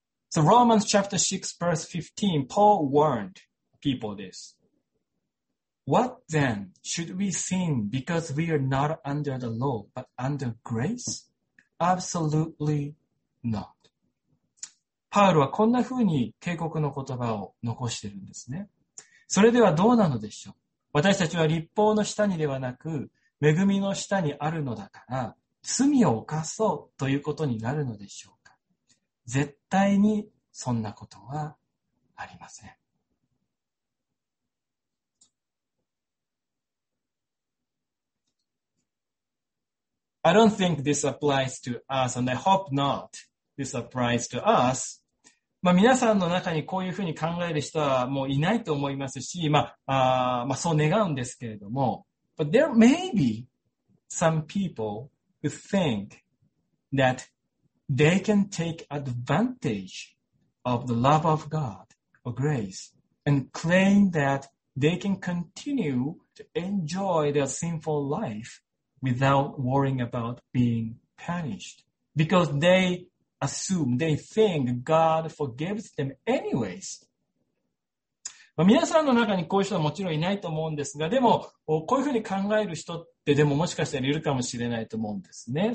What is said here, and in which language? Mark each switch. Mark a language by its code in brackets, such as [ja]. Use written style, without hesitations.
[en] So Romans chapter 6 verse 15, Paul warned people this. What then should we sin because we are not under the law but under grace? Absolutely not. [ja] パウロはこんな風に警告の言葉を残してるんですね。それではどうなのでしょう。私たちは律法の下にではなく恵みの下にあるのだから罪を犯そうということになるのでしょうか。絶対にそんなことはありません。 [en] I don't think this applies to us, and I hope not this applies to us. [ja] まあ皆さんの中にこういうふうに考える人はもういないと思いますし、まあ、まあそう願うんですけれども。 [en] But there may be some people who think that they can take advantage of the love of God or grace and claim that they can continue to enjoy their sinful life. Without worrying about being punished. Because they assume, they think God forgives them anyways. [ja] まあ皆さんの中にこういう人はもちろんいないと思うんですが、でも、こういうふうに考える人ってでももしかしたらいるかもしれないと思うんですね。